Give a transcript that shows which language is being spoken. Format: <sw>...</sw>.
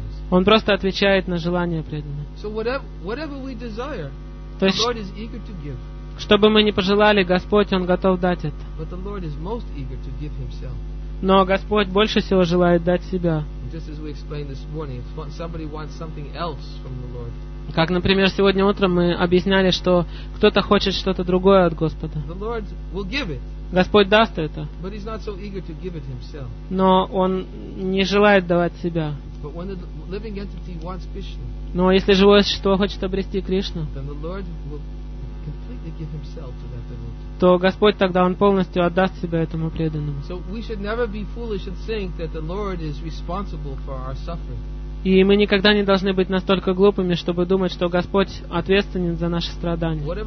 <ru>Он просто отвечает на желания преданных.</ru> <en>So whatever we desire, the Lord is eager to give.</en> <ru>Что бы мы ни пожелали, Господь, Он готов дать это.</ru> <en>But the Lord is most eager to give himself.</en> <ru>Но Господь больше всего желает дать себя.</ru> <en>Just as we explained this morning, if somebody wants something else from the Lord.</en> <ru>Как, например, сегодня утром мы объясняли, что кто-то хочет что-то другое от Господа.</ru> <en>The Lord will give it.</en> <ru>Господь даст это.</ru> <en>But he's not so eager to give it himself.</en> <ru>Но Он не желает давать себя.</ru> <en>But when the living entity wants Krishna,</en> <ru>но если живое существо хочет обрести Кришну,</ru> <en>then the Lord will completely give himself to that devotee.</en> <ru>То Господь тогда Он полностью отдаст себя этому преданному.</ru> <en>So we should never be foolish and think that the Lord is responsible for our suffering.</en> <ru>И мы никогда не должны быть настолько глупыми, чтобы думать, что Господь ответственен за наши страдания.</ru>